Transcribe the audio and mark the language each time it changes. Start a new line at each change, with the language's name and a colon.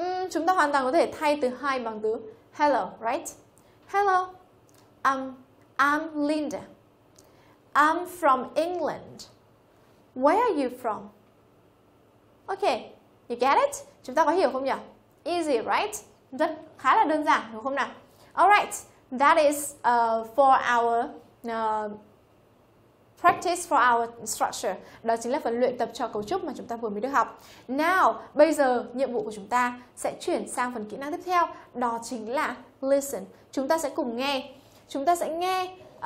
Vietnamese: Chúng ta hoàn toàn có thể thay từ hi bằng từ hello, right?
English: Hello, I'm Linda. I'm from England. Where are you from? Okay, you get it?
Vietnamese: Chúng ta có hiểu không nhỉ?
English: Easy, right?
Vietnamese: Rất khá là đơn giản, đúng không nào?
English: Alright, that is for our practice for our structure.
Vietnamese: Đó chính là phần luyện tập cho cấu trúc mà chúng ta vừa mới được học. Now, bây giờ nhiệm vụ của chúng ta sẽ chuyển sang phần kỹ năng tiếp theo. Đó chính là listen. Chúng ta sẽ cùng nghe. Chúng ta sẽ nghe...